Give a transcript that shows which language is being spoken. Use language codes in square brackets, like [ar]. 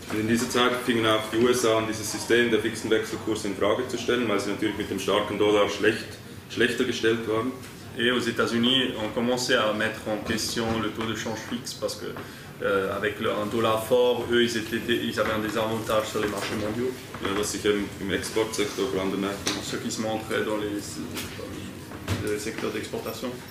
[de] Und in dieser Zeit fingen auch die USA an, dieses System der fixen Wechselkurse in Frage zu stellen, weil sie natürlich mit dem starken Dollar schlechter gestellt waren. [fr] Et aux États-Unis, on commençait à mettre en question le taux de change fixe parce que avec un dollar fort, eux, ils avaient un désavantage sur les marchés mondiaux. [de] Ja, das sich im Exportsektor vor allem bemerkt. [fr] Ce qui se montrait dans les secteurs d'exportation.